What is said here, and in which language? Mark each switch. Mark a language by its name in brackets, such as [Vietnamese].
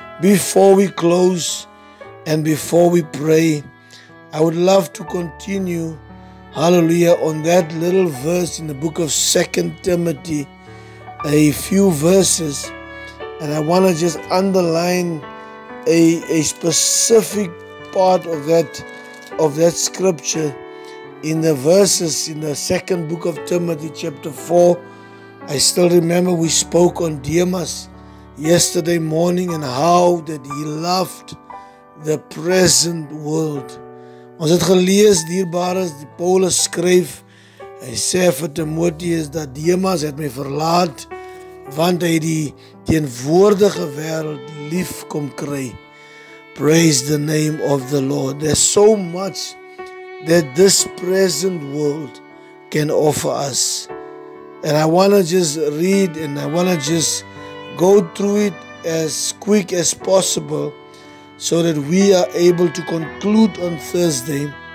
[English] Before we close and before we pray, I would love to continue, hallelujah, on that little verse in the book of 2 Timothy, a few verses, and I want to just underline a specific part of that of that scripture in the verses in the second book of Timothy chapter 4. I still remember we spoke on Demas yesterday morning and how that he loved the present world. [Afrikaans] Ons het gelees, dierbares, die Paulus skryf, hy sê vir Timotheus dat Demas het my verlaat, want hy die teenwoordige wêreld lief kom kry. [English] Praise the name of the Lord. There's so much that this present world can offer us. And I want to just read and I want to just go through it as quick as possible so that we are able to conclude on Thursday.